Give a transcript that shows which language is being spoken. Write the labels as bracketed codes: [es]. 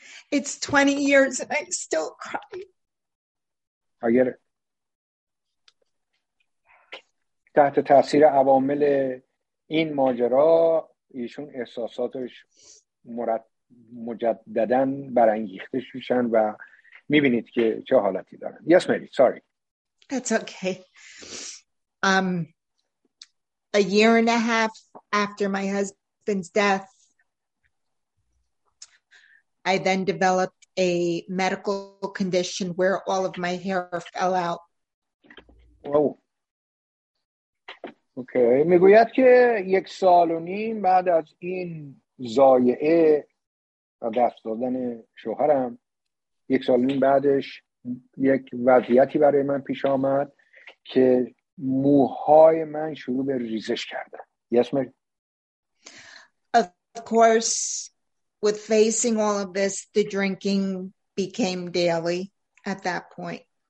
[en] It's 20 years and I'm still crying. I get it. [fa] تحت تأثیر عوامل این ماجرا ایشون احساساتش مجدداً برانگیخته شدن و میبینید که چه حالتی دارن. [en] Yes, Mary, sorry. That's okay. A year and a half after my husband's death, I then developed a medical condition where all of my hair fell out. Oh. Okay. [fa] میگوید که یک سال و نیم بعد از این زایعه و دست دادن شوهرم، یک سال و نیم بعدش یک وضعیتی برای من پیش آمد که موهای من شروع به ریزش کردن. [en] Yes, Mary. Of course. With facing all of this, the drinking became daily at that point.